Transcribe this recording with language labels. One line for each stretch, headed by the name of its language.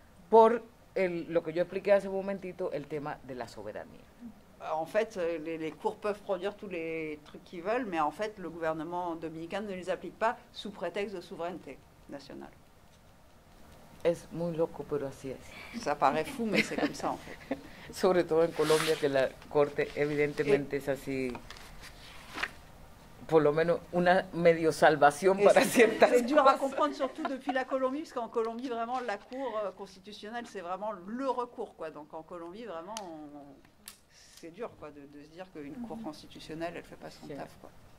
Spanish: Por el, lo que yo expliqué hace un momentito, el tema de la soberanía.
French: En fait, les cours peuvent produire tous les trucs qu'ils veulent, mais en fait, le gouvernement dominicain ne les applique pas sous prétexte de souveraineté nationale.
Spanish: Es muy loco, pero así es.
French: Ça paraît fou, mais c'est comme ça, en fait.
Spanish: Sobre todo en Colombia, que la corte evidentemente es así, por lo menos una medio salvación para ciertas cosas.
French: Es dur à comprendre, surtout depuis la Colombie, parce qu'en Colombie, vraiment, la cour constitutionnelle, c'est vraiment le recours, quoi. Donc en Colombie, vraiment, c'est dur, quoi, de se dire qu'une cour constitutionnelle, elle ne fait pas son taf, quoi.